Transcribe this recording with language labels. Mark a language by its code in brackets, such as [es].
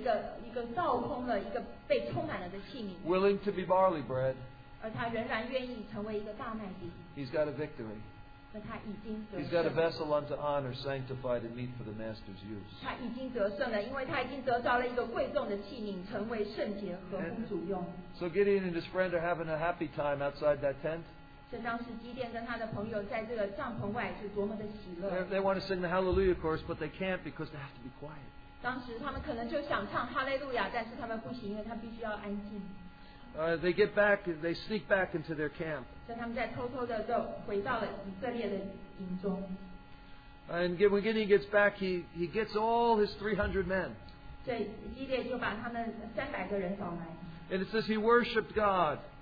[zh] 当神能够有一个自洁、一个造空的、一个被充满了的器皿， [en] willing to be barley bread, [zh] 而他仍然愿意成为一个大麦饼， [en] He's got a victory. [zh] 而他已经得胜了。 [en] He's got a vessel unto honor, sanctified and meet for the Master's use. [zh] 他已经得胜了，因为他已经得着了一个贵重的器皿，成为圣洁和公主用。 [en] So Gideon and his friend are having a happy time outside that tent. [zh] 正当时基甸跟他的朋友在这个帐篷外是多么的喜乐。 [en] They want to sing the Hallelujah chorus, but they can't because they have to be quiet. [zh] 当时他们可能就想唱哈利路亚，但是他们不行，因为他必须要安静。 [en] They get back, they sneak back into their camp. And when Gideon gets back, he gets all his 300 men. And it says he worshipped God.